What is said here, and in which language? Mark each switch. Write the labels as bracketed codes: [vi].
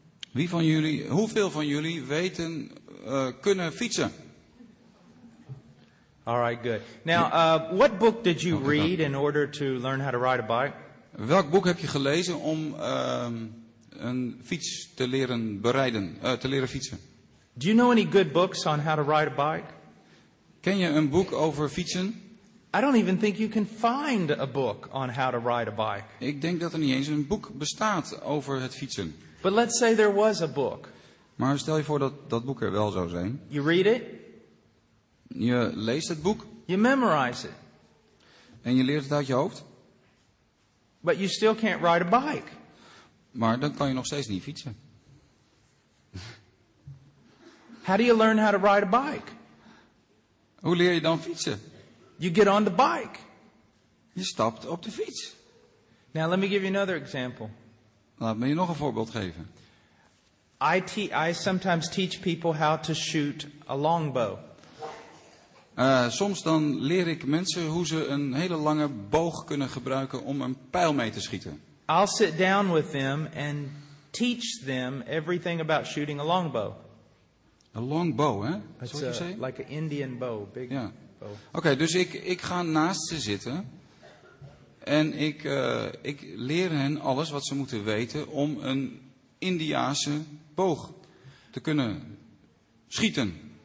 [nl] Wie van jullie, hoeveel van jullie weten kunnen fietsen? [en] All right, good. Now, what book did you read in order to learn how to ride a bike? [nl] Welk boek heb je gelezen om een fiets te leren berijden, te leren fietsen? [en] Do you know any good books on how to ride a bike? [nl] Ken je een boek over fietsen? [en] I don't even think you can find a book on how to ride a bike. [nl] Ik denk dat er niet eens een boek bestaat over het fietsen. [en] But let's say there was a book. [nl] Maar stel je voor dat dat boek er wel zou zijn. [en] You read it. [nl] Je leest het boek. [en] You memorize it. [nl] En je leert het uit je hoofd. [en] But you still can't ride a bike. [nl] Maar dan kan je nog steeds niet fietsen. [en] How do you learn how to ride a bike? [nl] Hoe leer je dan fietsen? [en] You get on the bike. [nl] Je stapt op de fiets. [en] Now let me give you another example. [nl] Laat me je nog een voorbeeld geven. [en] I sometimes teach people how to shoot a longbow. [nl] Soms dan leer ik mensen hoe ze een hele lange boog kunnen gebruiken om een pijl mee te schieten. [en] I'll sit down with them and teach them everything about shooting a longbow. A longbow, hè? Like an Indian bow, big. [nl] Ja. Okay, dus ik ga naast ze zitten. En ik leer hen alles wat ze moeten weten om een Indiase boog te kunnen schieten.